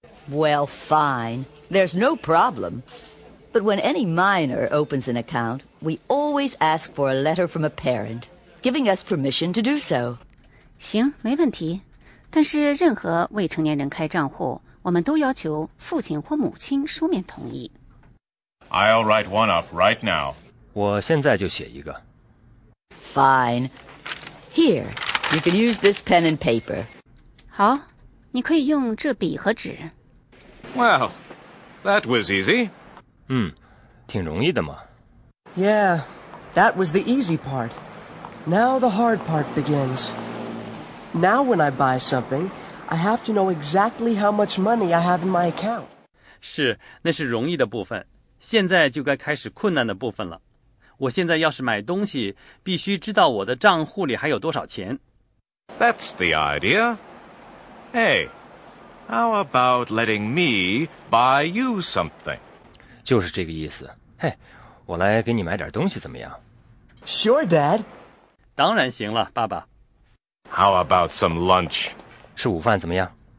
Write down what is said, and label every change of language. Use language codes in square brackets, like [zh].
[en] Well, fine. There's no problem. But when any minor opens an account, we always ask for a letter from a parent, giving us permission to do so. [zh] 行，没问题。但是任何未成年人开账户我们都要求父亲或母亲书面同意 [en] I'll write one up right now [zh] 我现在就写一个 [en] Fine Here, you can use this pen and paper [zh] 好你可以用这笔和纸 [en] Well, that was easy [zh] 挺容易的嘛 [en] Yeah, That was the easy part. Now the hard part begins. Now when I buy something, I have to know exactly how much money I have in my account. [zh] 是，那是容易的部分。现在就该开始困难的部分了。我现在要是买东西，必须知道我的账户里还有多少钱。 [en] That's the idea. Hey, how about letting me buy you something? [zh] 就是这个意思。嘿，我来给你买点东西怎么样？ [en] Sure, Dad. [zh] 当然行了，爸爸。 [en] How about some lunch? [zh] 吃午饭怎么样？